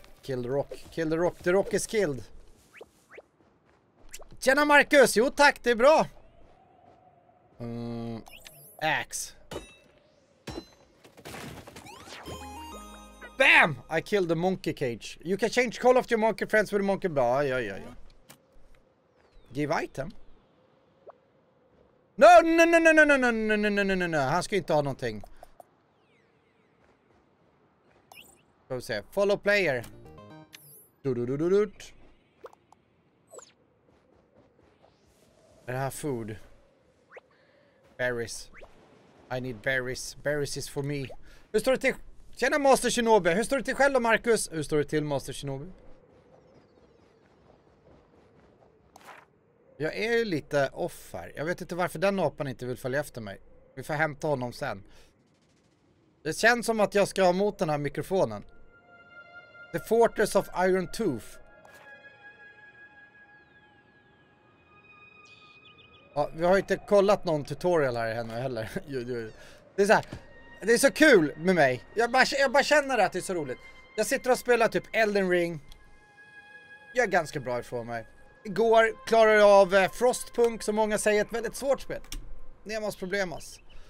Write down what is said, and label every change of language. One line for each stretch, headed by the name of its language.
English: Kill the rock, the rock is killed.
Swedish: Tjena Marcus, jo tack, det är bra!
English: Axe. Bam! I killed the monkey cage. You can change call of your monkey friends with a monkey bra,
Swedish: ja, ja, ja.
English: Give item. No, no, no, no, no, no, no, no, no, no, no, no, no.
Swedish: Han ska inte ha någonting. Ska vi se.
English: Follow player.
Swedish: Du-du-du-du-dut. Är det här
English: food? Berries. I need berries. Berries is for me.
Swedish: Hur står det till? Tjena
English: Master Shinobi.
Swedish: Hur står det till själv då, Marcus? Hur står det till, Master Shinobi? Jag är ju lite off här. Jag vet inte varför den apan inte vill följa efter mig. Vi får hämta honom sen. Det känns som att jag ska ha mot den här mikrofonen.
English: The Fortress of Iron Tooth.
Swedish: Ja, vi har inte kollat någon tutorial här ännu heller. Det är så här. Det är så kul med mig. Jag bara känner att det är så roligt. Jag sitter och spelar typ Elden Ring. Jag är ganska bra ifrån mig. Igår klarade jag av Frostpunk, som många säger, ett väldigt svårt spel.
Spanish: Nemos problemas.